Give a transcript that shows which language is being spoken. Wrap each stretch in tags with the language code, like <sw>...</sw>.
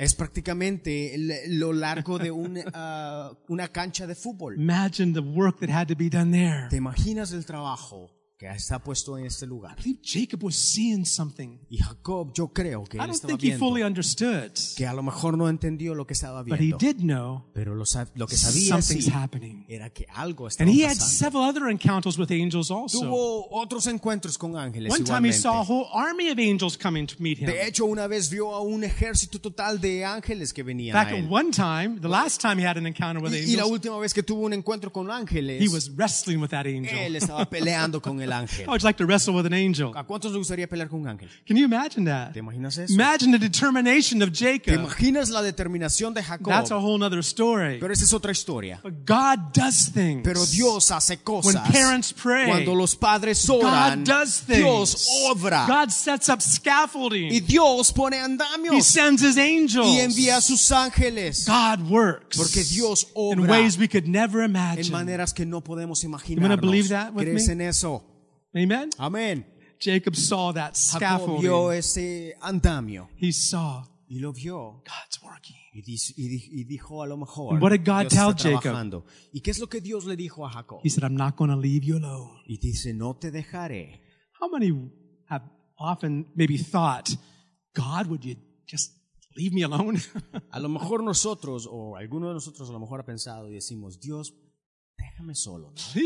<es>Es prácticamente lo largo de una cancha de fútbol.</es> <en>Imagine the work that had to be done there.</en> <es>¿Te imaginas el trabajo que está puesto en este lugar?</es> <en>I believe Jacob was seeing something.</en> <es>Y Jacob, yo creo que él estaba viendo.</es> <en>I don't think he fully understood.</en> <es>Que a lo mejor no entendió lo que estaba viendo.</es> <en>But he did know.</en> <es>Pero lo que sabía</es> <en>something's happening.</en> <es>Era que algo estaba pasando.</es> <en>And he had several other encounters with angels also.</en> <es>Tuvo otros encuentros con ángeles igualmente.</es> <en>One time he saw a whole army of angels coming to meet him.</en> <es>De hecho, una vez vio a un ejército total de ángeles que venían a él.</es> <en>In fact, one time, the last time he had an encounter with angels.</en> <es>Y la última vez que tuvo un encuentro con ángeles.</es> <en>He was wrestling with that angel.</en> <es>Él estaba peleando con el ángel.</es> <en>How would you like to wrestle with an angel?</en> <es>¿A cuántos les gustaría pelear con un ángel?</es> <en>Can you imagine that?</en> <es>¿Te imaginas eso?</es> <en>Imagine the determination of Jacob.</en> <es>¿Te imaginas la determinación de Jacob?</es> <en>That's a whole other story.</en> <es>Pero esa es otra historia.</es> <en>But God does things.</en> <es>Pero Dios hace cosas.</es> <en>When parents pray.</en> <es>Cuando los padres oran.</es> <en>God does things.</en> <es>Dios obra.</es> <en>God sets up scaffolding.</en> <es>Y Dios pone andamios.</es> <en>He sends his angels.</en> <es>Y envía a sus ángeles.</es> <en>God works.</en> <es>Porque Dios obra.</es> <en>In ways we could never imagine.</en> <es>En maneras que no podemos imaginar.</es> <en>You want to believe that with me?</en> <es>¿Crees en eso?</es> <en>Amen.</en> <es>Amen.</es> <en>Jacob saw that scaffolding.</en> <es>Jacob vio ese andamio.</es> <en>He saw.</en> <es>Y lo vio.</es> <en>God's working.</en> <es>Y dijo a lo mejor.</es> <en>And what did God</en> <es>Dios</es> <en>tell Jacob?</en> <es>¿Y qué es lo que Dios le dijo a Jacob?</es> <en>He said, "I'm not going to leave you alone."</en> <es>Y dice, "No te dejaré."</es> <en>How many have often maybe thought, "God, would you just leave me alone?"</en> <es>A lo mejor nosotros o alguno de nosotros a lo mejor ha pensado y decimos, "Dios, déjame solo, ¿no?</es>